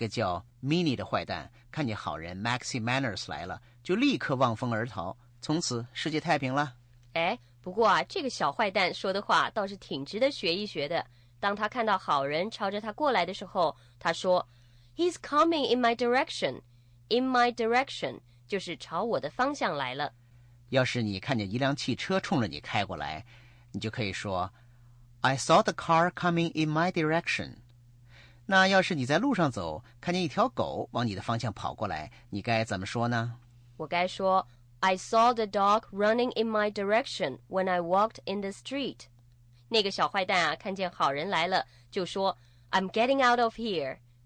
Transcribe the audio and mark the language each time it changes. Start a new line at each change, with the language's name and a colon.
Chinese: 说实话,我不太喜欢。动画片里啊,往往暴力太多了。动画片不都是这样吗?都得有坏人和好人。先是啊,坏人把好人赶跑了,最后呢,是好人打败坏人啦。所以啊,课文里的电影制片人Mike给Susan看的动画片也是大同小异啊。那个叫Mini的坏蛋,看见好人Maxie Manners来了,就立刻望风而逃,从此世界太平了。诶,不过啊,这个小坏蛋说的话倒是挺值得学一学的。当他看到好人朝着他过来的时候,他说,
English: He's coming in my direction. In my direction,
Chinese: 就是朝我的方向来了。要是你看见一辆汽车冲着你开过来, 你就可以说,
English: I saw the car coming in my direction.
Chinese: 那要是你在路上走, 看见一条狗往你的方向跑过来, 你该怎么说呢? 我该说,
English: I saw the dog running in my direction when I walked in the street.
Chinese: 那个小坏蛋啊, 看见好人来了, 就说,
English: I'm getting out of here.